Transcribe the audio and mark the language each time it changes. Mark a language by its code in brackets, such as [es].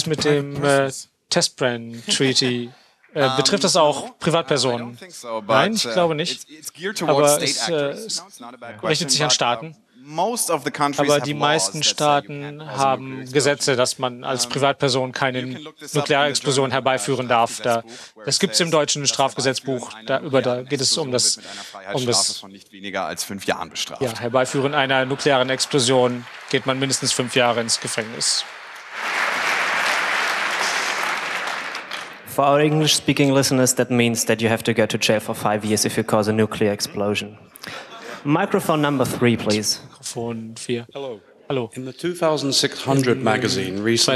[en] to private test ban treaty? [de] betrifft das auch Privatpersonen? Nein, ich glaube nicht. Aber es richtet sich an Staaten. [en] Most of the countries [de] aber die meisten Staaten haben Gesetze, dass man als Privatperson keine Nuklearexplosion herbeiführen darf. Das gibt es im deutschen Strafgesetzbuch. Da geht es um das von nicht weniger als 5 Jahren bestraft. Ja, Herbeiführen einer nuklearen Explosion geht man mindestens 5 Jahre ins Gefängnis. [en] For our English-speaking listeners, that means that you have to go to jail for 5 years if you cause a nuclear explosion. Microphone number 3, please. Microphone 4. Hello. In the 2600 magazine recently,